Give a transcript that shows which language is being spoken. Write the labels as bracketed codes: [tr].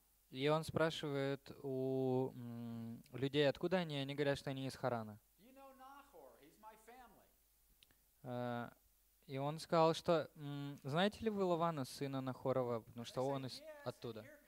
[ru] И он спрашивает у людей, откуда они, и они говорят, что они из Харана. [en] You know, Nahor, he's my family. [ru] И он сказал, что знаете ли вы Лавана, сына Нахорова, потому что он из оттуда.